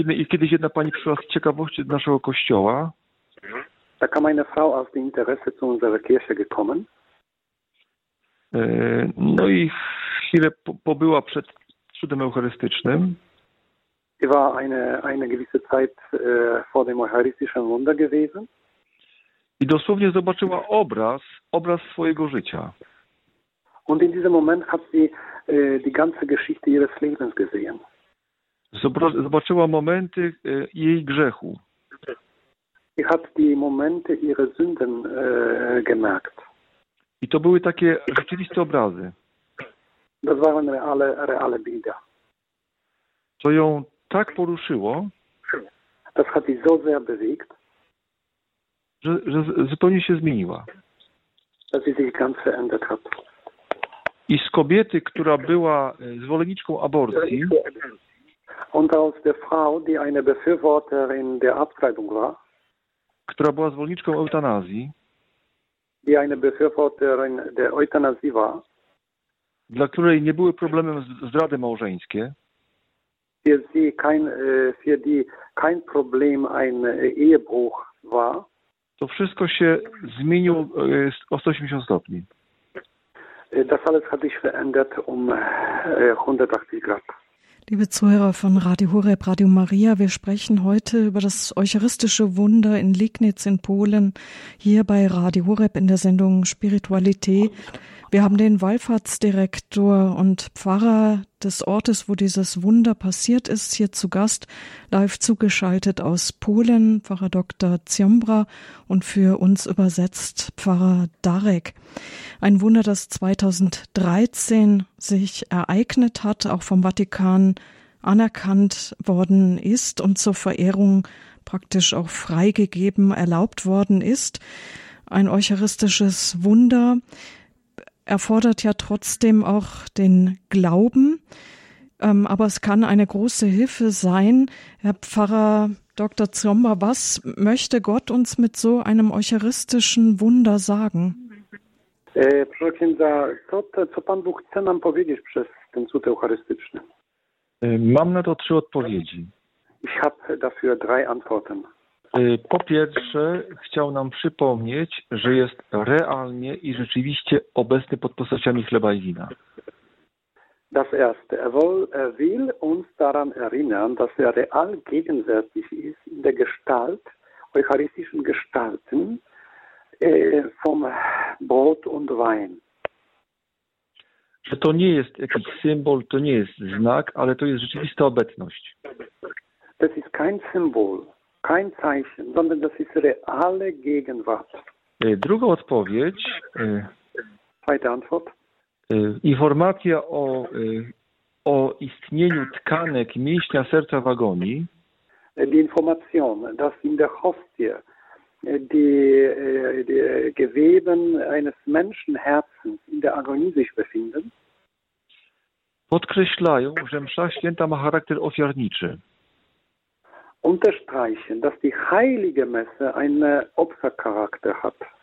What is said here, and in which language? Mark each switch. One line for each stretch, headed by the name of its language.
Polish: Kiedyś jedna pani przyszła z ciekawości do naszego kościoła.
German: Da kam eine Frau aus dem Interesse zu unserer Kirche gekommen.
Polish: No i chwilę pobyła przed cudem eucharystycznym.
German: Sie war eine gewisse Zeit vor dem eucharistischen Wunder gewesen.
Polish: I dosłownie zobaczyła obraz swojego życia.
German: Und in diesem Moment hat sie die ganze Geschichte ihres Lebens gesehen.
Polish: Zobaczyła momenty jej grzechu.
German: I hat die Momente ihrer Sünden gemerkt.
Polish: I to były takie rzeczywiste obrazy.
German: Das waren reale Bilder.
Polish: To ją tak poruszyło,
German: das hat sie so sehr bewegt,
Polish: że zupełnie się zmieniła.
German: Dass sie sich ganz verändert hat.
Polish: I z kobiety, która była zwolenniczką aborcji,
German: und aus der Frau, die eine Befürworterin der Abtreibung war,
Polish: która była zwolenniczką eutanazji,
German: die eine Befürworterin der Euthanasie war,
Polish: dla której nie były problemem zdrady małżeńskie,
German: für die kein Problem ein Ehebruch war,
Polish: to wszystko się zmieniło o 180 stopni.
German: Das alles hat sich verändert um 180 Grad. Liebe Zuhörer von Radio Horeb, Radio Maria, wir sprechen heute über das eucharistische Wunder in Liegnitz in Polen, hier bei Radio Horeb in der Sendung Spiritualität. Wir haben den Wallfahrtsdirektor und Pfarrer des Ortes, wo dieses Wunder passiert ist, hier zu Gast, live zugeschaltet aus Polen, Pfarrer Dr. Ziombra, und für uns übersetzt Pfarrer Darek. Ein Wunder, das 2013 sich ereignet hat, auch vom Vatikan anerkannt worden ist und zur Verehrung praktisch auch freigegeben, erlaubt worden ist. Ein eucharistisches Wunder erfordert ja trotzdem auch den Glauben, aber es kann eine große Hilfe sein. Herr Pfarrer Dr. Ziomba, was möchte Gott uns mit so einem eucharistischen Wunder sagen?
Polish: Proszę księdza, co Pan Bóg chce nam powiedzieć przez ten cud eucharystyczny? Mam na to trzy odpowiedzi.
German: Ich habe dafür drei Antworten.
Polish: Po pierwsze, chciał nam przypomnieć, że jest realnie i rzeczywiście obecny pod postaciami chleba i wina.
German: Das erste, er will uns daran erinnern, dass er real gegenwärtig ist in der Gestalt, eucharistischen Gestalten vom Brot und Wein.
Polish: Że to nie jest jakiś symbol, to nie jest znak, ale to jest rzeczywista obecność.
German: Das ist kein Symbol. Kein Zeichen, sondern das ist reale Gegenwart.
Polish: Druga odpowiedź.
German: Zweite Antwort.
Polish: Informacja o istnieniu tkanek mięśnia serca w agonii.
German: Die Information, dass in der Hostie die Geweben eines Menschenherzens in der Agonie sich befinden.
Polish: Podkreślają, że msza święta ma charakter ofiarniczy.
German: Unterstreichen, dass die heilige Messe einen Opfercharakter hat.